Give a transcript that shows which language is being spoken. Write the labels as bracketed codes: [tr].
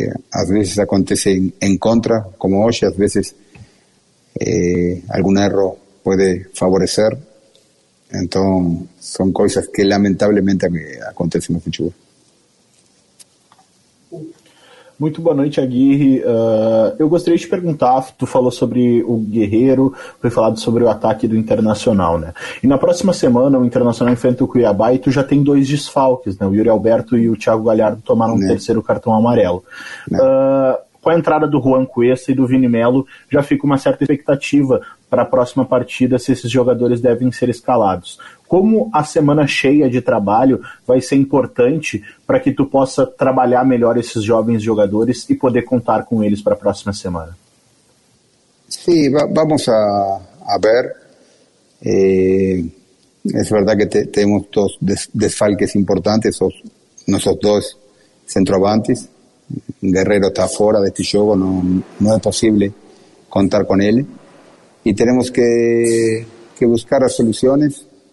[es] A veces acontece en contra, como hoy, a veces algún error puede favorecer, entonces son cosas que lamentablemente acontecen en el fútbol. [pt] Muito boa noite, Aguirre. Eu gostaria de te perguntar, tu falou sobre o Guerreiro, foi falado sobre o ataque do Internacional, né? E na próxima semana o Internacional enfrenta o Cuiabá e tu já tem dois desfalques, né? O Yuri Alberto e o Thiago Galhardo tomaram o terceiro cartão amarelo. Com a entrada do Juan Cuesta e do Vini Melo, já fica uma certa expectativa para a próxima partida, se esses jogadores devem ser escalados. Como a semana cheia de trabalho vai ser importante para que tu possa trabalhar melhor esses jovens jogadores e poder contar com eles para a próxima semana? [es] Sim, sí, vamos a ver. Es verdad que tenemos dos desfalques importantes, nuestros dos centroavantes. Guerrero está fuera de este juego, no es posible contar con él. Y tenemos que buscar las soluciones.